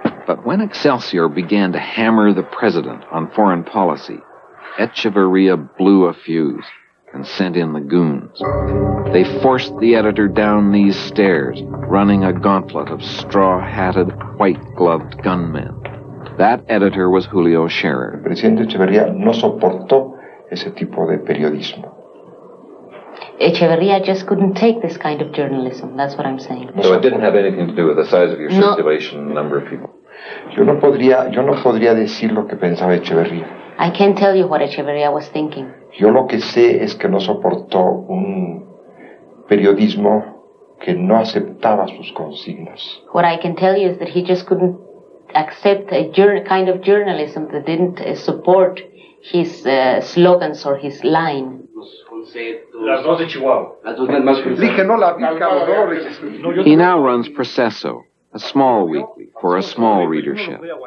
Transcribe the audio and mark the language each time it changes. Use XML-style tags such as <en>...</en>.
<en>But when Excelsior began to hammer the president on foreign policy, Echevarria blew a fuse and sent in the goons. They forced the editor down these stairs, running a gauntlet of straw-hatted, white-gloved gunmen. That editor was Julio Scherer.</en> <es>El presidente Echevarria no soportó ese tipo de periodismo.</es> <en>Echevarria just couldn't take this kind of journalism, that's what I'm saying. So it didn't have anything to do with the size of your circulation, no. Number of people?</en> <es>Yo no podría decir lo que pensaba Echevarria.</es> <en>I can't tell you what Echevarria was thinking.</en> <es>Yo lo que sé es que no soportó un periodismo que no aceptaba sus consignas.</es> <en>What I can tell you is that he just couldn't accept a kind of journalism that didn't support his slogans or his line. He now runs Proceso, a small weekly for a small readership.</en>